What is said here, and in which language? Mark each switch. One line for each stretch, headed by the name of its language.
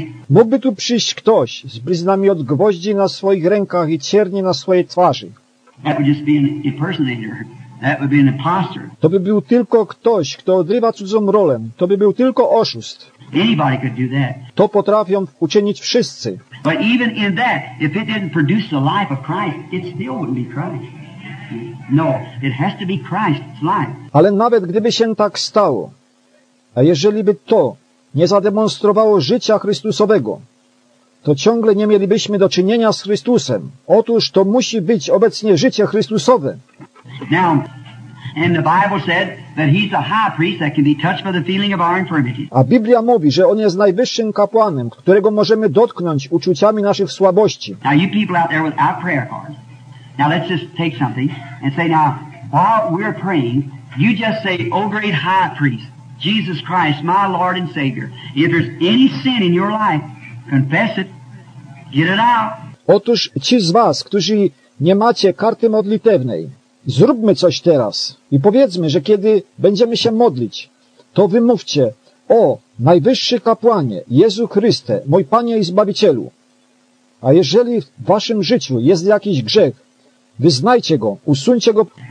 Polish: Mógłby tu przyjść ktoś z bliznami od gwoździ na swoich rękach i cierni na swojej twarzy.
English: That would just be an impersonator. That would be an impostor.
Polish: To by był tylko ktoś, kto odrywa cudzą rolę. To by był tylko oszust.
English: Anybody could do that.
Polish: To potrafią uczynić wszyscy.
English: But even in that, if it didn't produce the life of Christ, it still wouldn't be Christ. No, it has to be Christ's life.
Polish: Ale nawet gdyby się tak stało, a jeżeli by to nie zademonstrowało życia Chrystusowego, to ciągle nie mielibyśmy do czynienia z Chrystusem. Otóż to musi być obecnie życie Chrystusowe.
English: Now, and the Bible said that he's a high priest that can be touched by the feeling of our infirmities.
Polish: A Biblia mówi, że on jest najwyższym kapłanem, którego możemy dotknąć uczuciami naszych słabości.
English: Now you people out there without prayer cards. Now let's just take something and say now, while we're praying, you just say, O great high priest, Jesus Christ, my Lord and Savior. If there's any sin in your life, confess it. Get it out.
Polish: Otóż ci z was, którzy nie macie karty modlitewnej, zróbmy coś teraz i powiedzmy, że kiedy będziemy się modlić, to wymówcie, o najwyższy kapłanie, Jezu Chryste, mój Panie i Zbawicielu. A jeżeli w waszym życiu jest jakiś grzech, wyznajcie go, usuńcie go.